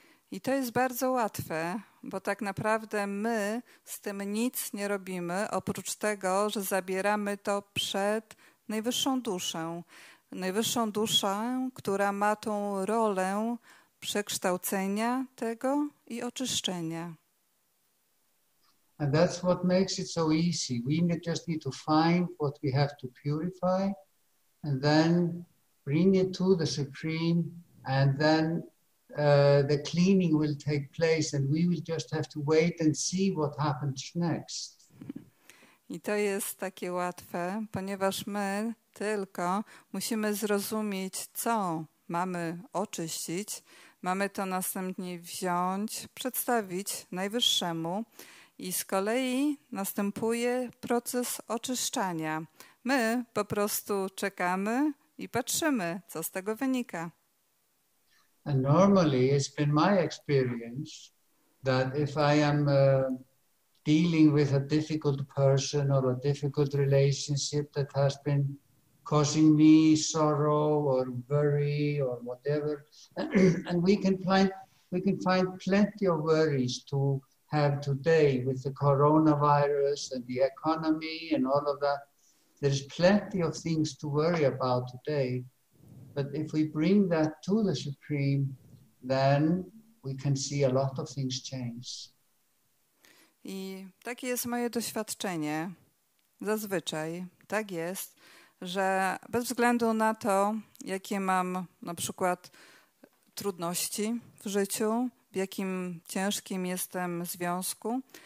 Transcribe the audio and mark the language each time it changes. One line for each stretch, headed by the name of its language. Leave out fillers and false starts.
Polish: I to jest bardzo łatwe, bo tak naprawdę my z tym nic nie robimy, oprócz tego, że zabieramy to przed najwyższą duszę. Najwyższą duszę, która ma tą rolę przekształcenia tego i oczyszczenia.
English: And that's what makes it so easy. We just need to find what we have to purify and then bring it to the Supreme, and then the cleaning will take place and we will just have to wait and see what happens next.
Polish: I to jest takie łatwe, ponieważ my tylko musimy zrozumieć, co mamy oczyścić. Mamy to następnie wziąć, przedstawić najwyższemu. I z kolei następuje proces oczyszczania. My po prostu czekamy i patrzymy, co z tego wynika.
English: And normally it's been my experience that if I am dealing with a difficult person or a difficult relationship that has been causing me sorrow or worry or whatever, and we can find plenty of worries to have today with the coronavirus and the economy and all of that. There's plenty of things to worry about today, but if we bring that to the Supreme, then we can see a lot of things change.
Polish: I takie jest moje doświadczenie. Zazwyczaj tak jest, że bez względu na to, jakie mam na przykład trudności w życiu, w jakim ciężkim jestem związku.